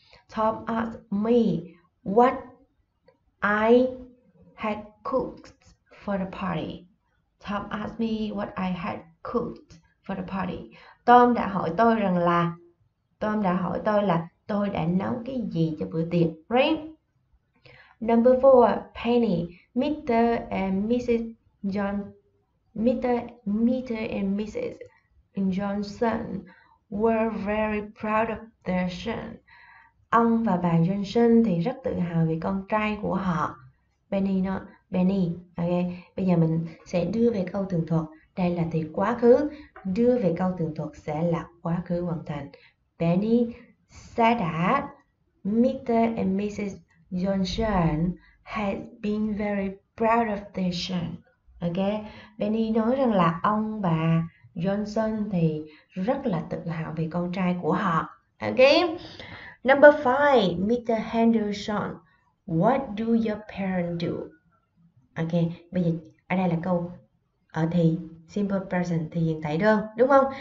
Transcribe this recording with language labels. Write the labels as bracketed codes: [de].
[en] Tom asked me what I had cooked for the party. Tom asked me what I had cooked for the party. [vi] Tom đã hỏi tôi là tôi đã nấu cái gì cho bữa tiệc, [en] right? Number 4, Penny. Mr. and Mrs. Johnson were very proud of their son. [vi] Ông và bà Johnson thì rất tự hào về con trai của họ. Benny. Ok, bây giờ mình sẽ đưa về câu tường thuật. Đây là thì quá khứ. Đưa về câu tường thuật sẽ là quá khứ hoàn thành. [en] Benny said that Mr. and Mrs. Johnson had been very proud of their son. [vi] Ok, Benny nói rằng là ông bà Johnson thì rất là tự hào về con trai của họ. [en] Ok. Number 5, Mr. Henderson. What do your parents do? [vi] Ok, bây giờ ở đây là câu ở thì simple present thì hiện tại đơn, đúng không?